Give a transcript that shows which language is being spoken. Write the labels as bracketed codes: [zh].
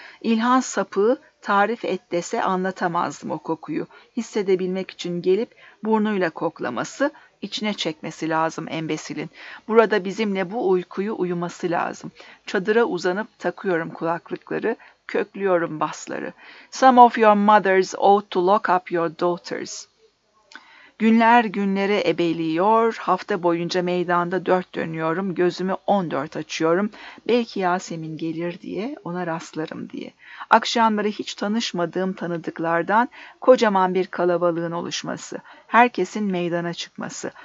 [tr] İlhan sapığı tarif et dese anlatamazdım o kokuyu. Hissedebilmek için gelip burnuyla koklaması, içine çekmesi lazım embesilin. Burada bizimle bu uykuyu uyuması lazım. Çadıra uzanıp takıyorum kulaklıkları, köklüyorum basları. [en] Some of your mothers ought to lock up your daughters. [tr] Günler günlere ebeliyor, hafta boyunca meydanda dört dönüyorum, gözümü 14 açıyorum. Belki Yasemin gelir diye, ona rastlarım diye. Akşamları hiç tanışmadığım tanıdıklardan kocaman bir kalabalığın oluşması, herkesin meydana çıkması.